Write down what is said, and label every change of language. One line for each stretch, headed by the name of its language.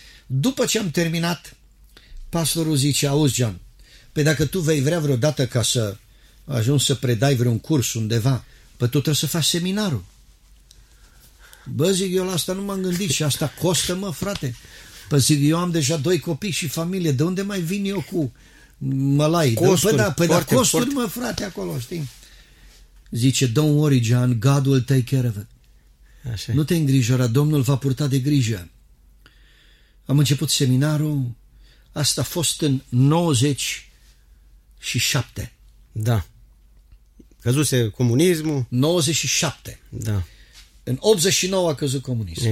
Romanian: După ce am terminat, pastorul zice, auzi, John, păi dacă tu vei vrea vreodată ca să ajungi să predai vreun curs undeva, păi tu trebuie să faci seminarul. Bă, zic, eu la asta nu m-am gândit și asta costă, mă, frate. Bă, zic, eu am deja doi copii și familie, de unde mai vin eu cu mălai? Costuri, mă, frate, acolo, știi?
English: Zice, don't worry, John, God will take care of it.
Romanian: Așa. Nu te îngrijora, Domnul va purta de grijă. Am început seminarul, Asta a fost în 97. Da. Căzuse comunismul. 97. Da. În 89 a căzut comunismul.